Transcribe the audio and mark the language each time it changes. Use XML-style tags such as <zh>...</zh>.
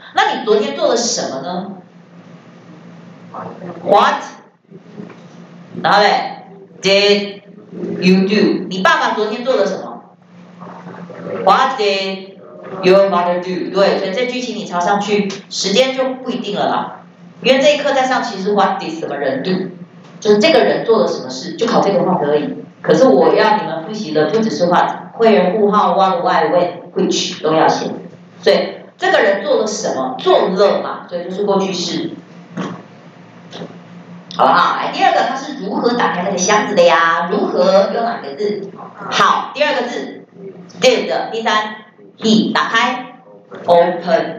<zh>那你昨天做了什么呢 ？What？然后嘞 ，</zh> <en>Did you do？</en> <zh>你爸爸昨天做了什么 ？</zh> <en>What did your mother do？</en> <zh>对，所以这句型你抄上去，时间就不一定了啦。因为这一课在上，其实</zh> <en>What did</en> <zh>什么人 do？ 就是这个人做了什么事，就考这个话题而已。可是我要你们复习的不只是 What， where， who， how， what， why， when， which 都要写。所以这个人做了什么，做了嘛，所以就是过去式。好不好？来，第二个，他是如何打开那个箱子的呀？如何用哪个字？好，第二个字 ，did。第三 ，he 打开 ，open。</zh>